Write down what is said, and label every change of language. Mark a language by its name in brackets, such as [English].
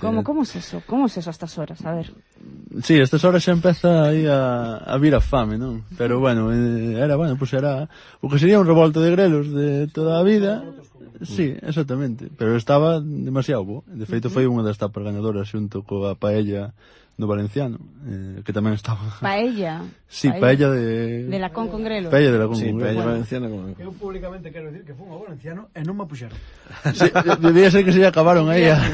[Spanish] ¿Cómo es eso? ¿Cómo es eso a estas horas? A ver. [Galician] Sí, estas horas xa empeza aí a vir a fame, non? Pero bueno, era, bueno, pues era o que sería un revolto de grelos de toda a vida. Sí, exactamente. Pero estaba demasiado bo. De feito, foi unha das tapas ganadoras xunto coa paella do Valenciano, que tamén estaba... Paella? Sí, paella de... De la con grelos. Paella de la con grelos. Sí, paella valenciana con... Eu públicamente quero dicir que fun a Valenciano e non me puxeron. Sí, debía ser que se acabaron aí.